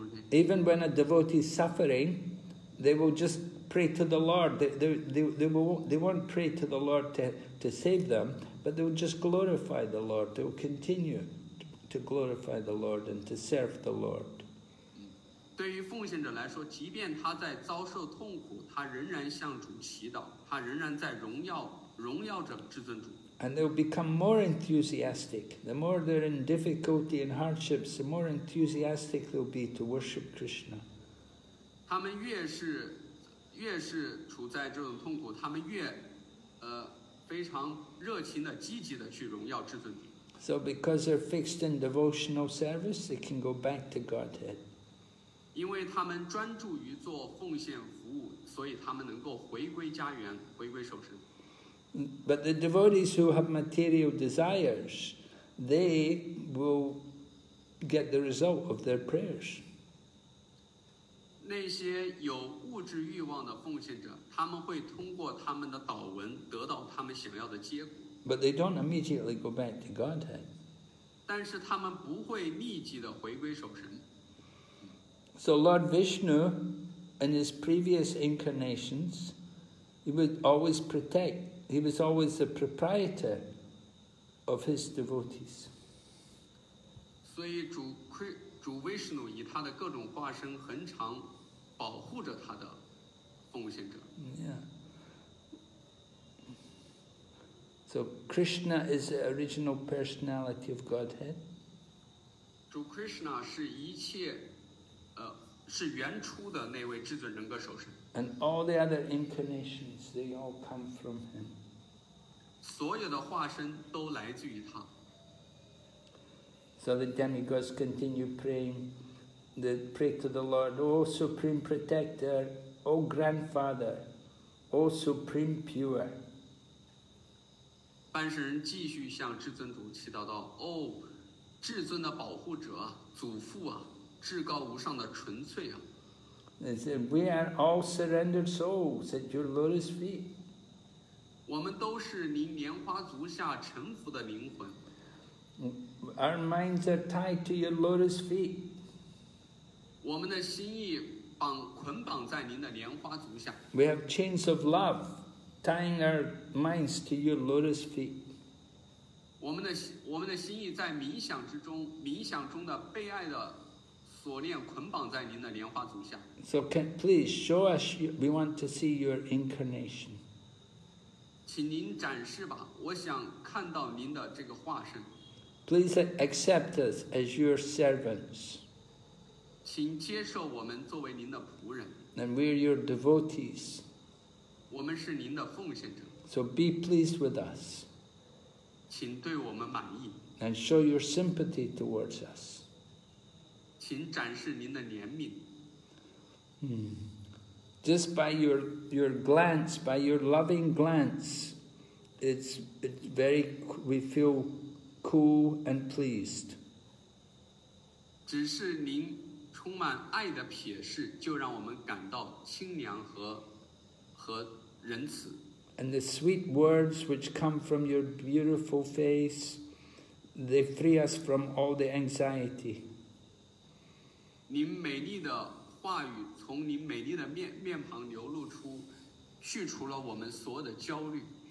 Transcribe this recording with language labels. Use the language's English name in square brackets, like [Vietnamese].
[English] Even when a devotee is suffering, they will just pray to the Lord. They won't pray to the Lord to save them, but they will just glorify the Lord. They will continue to glorify the Lord and to serve the Lord. [Chinese] 对于奉献者来说，即便他在遭受痛苦，他仍然向主祈祷，他仍然在荣耀着至尊主。 [English] And they'll become more enthusiastic. The more they're in difficulty and hardships, the more enthusiastic they'll be to worship Krishna. [Chinese] 他们越是处在这种痛苦，他们越非常热情的、积极的去荣耀至尊。 [English] So because they're fixed in devotional service, they can go back to Godhead. [Chinese] 因为他们专注于做奉献服务，所以他们能够回归家园，回归守身。 [English] But the devotees who have material desires, they will get the result of their prayers. [Chinese] 那些有物质欲望的奉献者，他们会通过他们的祷文得到他们想要的结果。 [English] But they don't immediately go back to Godhead. [Chinese] 但是他们不会立即的回归守神。 [English] So Lord Vishnu, in his previous incarnations, he would always protect. He was always the proprietor of his devotees. [Chinese] 所以主 Vishnu 以他的各种化身恒常保护着他的奉献者。 [English] So Krishna is the original personality of Godhead. [Chinese] 主 Krishna 是一切，是原初的那位至尊人格首身。 [English] And all the other incarnations, they all come from him. [Chinese] 所有的化身都来自于他。 [English] So the demigods continue praying, they pray to the Lord, O Supreme Protector, O Grandfather, O Supreme Pure. [Chinese] 半神人继续向至尊主祈祷道，哦，至尊的保护者，祖父啊，至高无上的纯粹啊。 [English] They said, we are all surrendered souls at your lotus feet. [Chinese] 我们都是您莲花足下臣服的灵魂。 [English] Our minds are tied to your lotus feet. [Chinese] 我们的心意捆绑在您的莲花足下。 [English] We have chains of love tying our minds to your lotus feet. [Chinese] 我们的心意在冥想中的被爱的锁链捆绑在您的莲花足下。 [English] So can please show us, we want to see your incarnation. [Chinese] 请您展示吧，我想看到您的这个化身。 [English] Please accept us as your servants. [Chinese] 请接受我们作为您的仆人。 [English] And we are your devotees. [Chinese] 我们是您的奉献者。 [English] So be pleased with us. [Chinese] 请对我们满意。 [English] And show your sympathy towards us. [Chinese] 请展示您的怜悯。 [English] Just by your glance, by your loving glance, it's very, we feel cool and pleased. [Chinese] 只是您充满爱的瞥视，就让我们感到清凉和仁慈。 [English] And the sweet words which come from your beautiful face, they free us from all the anxiety. [Chinese] 您美丽的话语从您美丽的面庞流露出，去除了我们所有的焦虑。